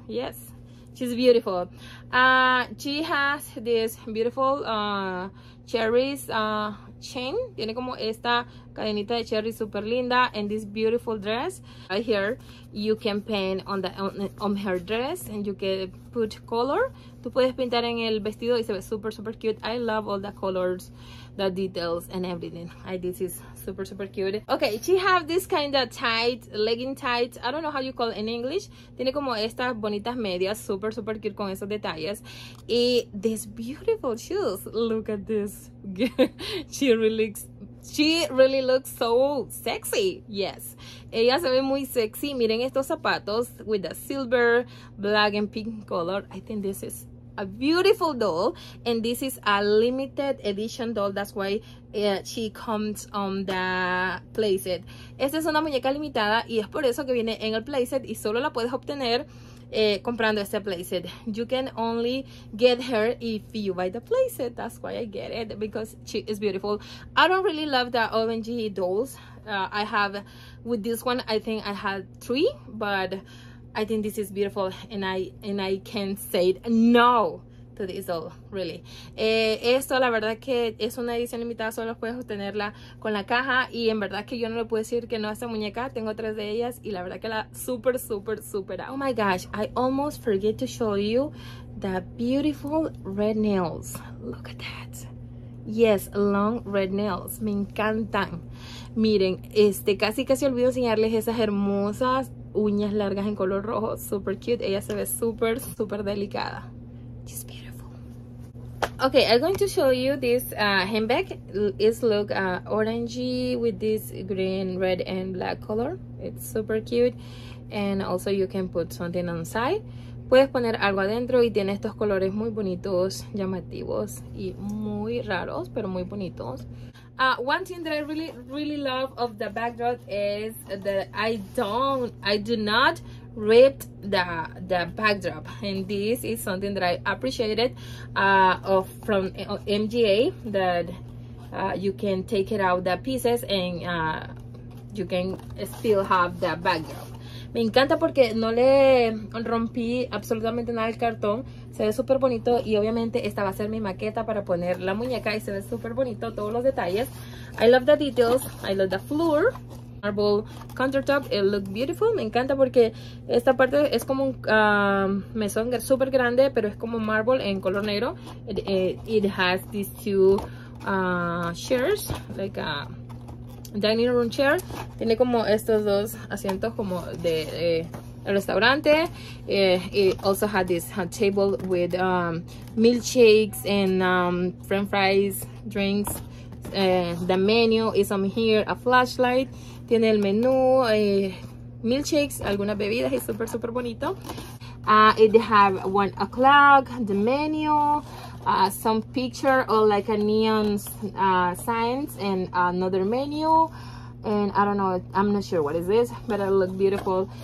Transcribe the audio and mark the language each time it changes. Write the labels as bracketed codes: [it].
[en] Yes, she's beautiful. She has this beautiful cherries chain. [es] Tiene como esta cadenita de cherry super linda, [en] and this beautiful dress right here. You can paint on the on her dress, and you can put color. [es] Tú puedes pintar en el vestido y se ve super super cute. [en] I love all the colors, the details and everything. This is super super cute. Okay, she have this kind of tight legging tight. I don't know how you call it in English. [es] Tiene como estas bonitas medias, super super cute con esos detalles. [en] And these beautiful shoes. Look at this. She really looks so sexy. Yes. [es] Ella se ve muy sexy. Miren estos zapatos [en] with the silver, black and pink color. I think this is a beautiful doll, and this is a limited edition doll. That's why she comes on the playset. [es] Esta es una muñeca limitada y es por eso que viene en el playset, y solo la puedes obtener comprando este playset. [en] You can only get her if you buy the playset. That's why I get it, because she is beautiful. I don't really love the ONG dolls. I have with this one, I think I had three, but I think this is beautiful, and I can say no to this doll, really. [es] Esto, la verdad que es una edición limitada, solo puedes obtenerla con la caja, y en verdad que yo no le puedo decir que no a esta muñeca. Tengo tres de ellas y la verdad que la super super super. [en] Oh my gosh, I almost forget to show you the beautiful red nails. Look at that. Yes, long red nails. [es] Me encantan. Miren, casi casi olvido enseñarles esas hermosas uñas largas en color rojo, super cute. Ella se ve super super delicada. [en] She's beautiful. Okay, I'm going to show you this handbag. It's look orangey with this green, red and black color. It's super cute, and also you can put something inside. [es] Puedes poner algo adentro y tiene estos colores muy bonitos, llamativos y muy raros, pero muy bonitos. [en] One thing that I really, really love of the backdrop is that I do not rip the backdrop. And this is something that I appreciated from MGA, that you can take it out the pieces and you can still have the backdrop. [es] Me encanta porque no le rompí absolutamente nada al cartón. Se ve súper bonito, y obviamente esta va a ser mi maqueta para poner la muñeca, y se ve súper bonito todos los detalles. [en] I love the details, I love the floor. Marble countertop, it look beautiful. [es] Me encanta porque esta parte es como un mesón súper grande, pero es como marble en color negro. [en] It has these two chairs, like a dining room chair. [es] Tiene como estos dos asientos como de el restaurante. [en] It also had this table with milkshakes and french fries drinks. The menu is on here, a flashlight. [es] Tiene el menú, milkshakes, algunas bebidas. Es super super bonito. [en] It have 1 o'clock, the menu, some picture or like a neon signs, and another menu, and I don't know, I'm not sure what is this, but it look beautiful.